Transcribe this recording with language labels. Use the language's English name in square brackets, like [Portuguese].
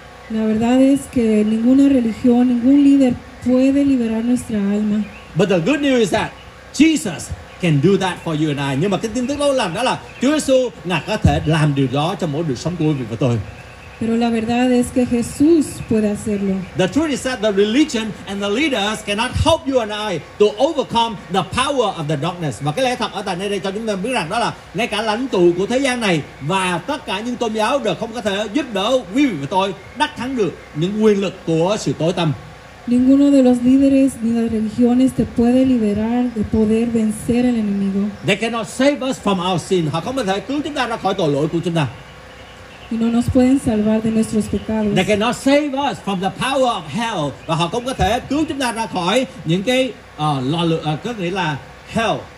[Spanish] La verdad es que ninguna religión, ningún líder puede liberar nuestra alma. [English] But the good news is that Jesus can do that for you and I. [Vietnamese] Nhưng mà cái tin tức lâu lắm đó là Chúa Giêsu ngài có thể làm điều đó cho mỗi đời sống của quý vị và tôi. [Spanish] Pero la verdad es que Jesús puede hacerlo. [English] The truth is that the religion and the leaders cannot help you and I to overcome the power of the darkness. [Vietnamese] Và cái lẽ thật ở tại đây cho chúng ta biết rằng đó là ngay cả lãnh tụ của thế gian này và tất cả những tôn giáo đều không có thể giúp đỡ quý vị và tôi đắc thắng được những quyền lực của sự tối tăm. [Spanish] Ninguno de los líderes ni las religiones te puede liberar de poder vencer al enemigo. [English] They cannot save us from our sin. [Vietnamese] Họ không thể cứu chúng ta ra khỏi tội lỗi của chúng ta. [Spanish] Y no nos pueden salvar de nuestros pecados. [English] They cannot save us from the power of hell. [Vietnamese] Và họ không có thể cứu chúng ta ra khỏi những cái có nghĩa là hell.